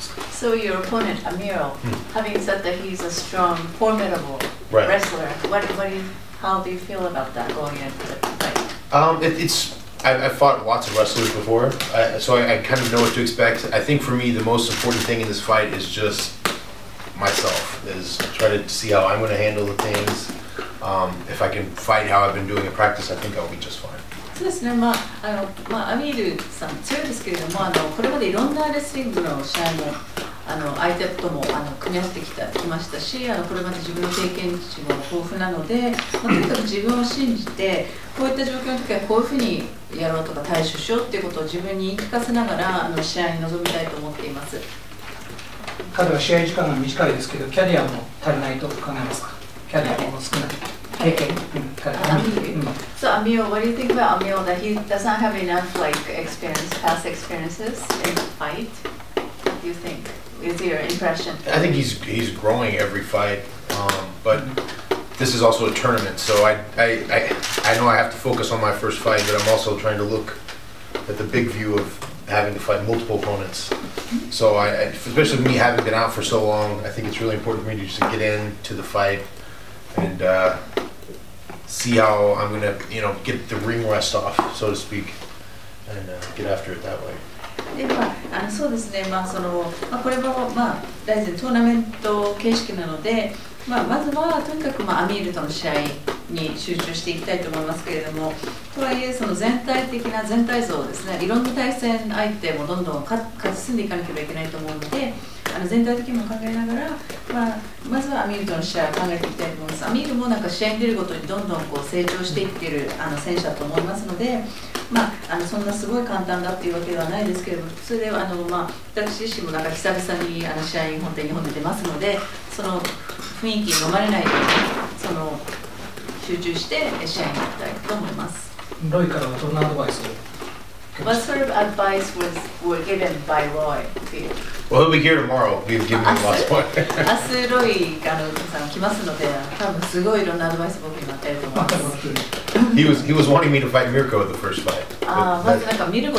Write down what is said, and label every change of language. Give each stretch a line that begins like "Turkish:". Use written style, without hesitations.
English: So your opponent, Amiro, having said that he's a strong, formidable wrestler, how do you feel about that going into the fight? I've fought lots of wrestlers before, so I kind of know what to expect. I think for me, the most important thing in this fight is just myself, is try to see how I'm going to handle the things. If I can fight how I've been doing in practice, I think I'll be just fine.
Japanese: そうですね、アミールさん強いですけれども、これまでいろんなレスリングの試合も相手とも組み合わせてきましたし、これまで自分の経験値も豊富なので、とにかく自分を信じて、こういった状況の時はこういうふうにやろうとか対処しようということを自分に言い聞かせながら試合に臨みたいと思っています。彼は試合時間が短いですけど、キャリアも足りないと考えますか？キャリアも少ない。
English: So Amiro, what do you think about Amiro, that he doesn't have enough like experience, past experiences in the fight? What do you think? Is your impression? I think he's growing every fight, but this is also a tournament, so I know I have to focus on my first fight, but I'm also trying to look at the big view of having to fight multiple opponents. So especially me having been out for so long, I think it's really important for me to just get into the fight and see how I'm gonna, get the ring rest off, so to speak, and get after it that way.
Japanese: そうですね、これも、大事なトーナメント形式なので、まずはとにかく、アミールとの試合に集中していきたいと思いますけれども、とはいえその全体的な全体像ですね、いろんな対戦相手もどんどん勝ち進んでいかなければいけないと思うので、あの全体的にも考えながら、まあ、まずはアミールとの試合を考えていきたいと思います。アミールもなんか試合に出るごとにどんどんこう成長していっているあの選手だと思いますので、まあ、あのそんなすごい簡単だというわけではないですけれども、それではあの、まあ、私自身もなんか久々にあの試合に本当に日本で出ますので、その雰囲気に飲まれないようにその集中して試合に行きたいと思います。ロイからはどんなアドバイスを？
English: What sort of advice was were given by Roy to you? Well, he'll be here tomorrow. We've given him last point. Asu Roy, he was wanting me to fight Mirko in the first fight.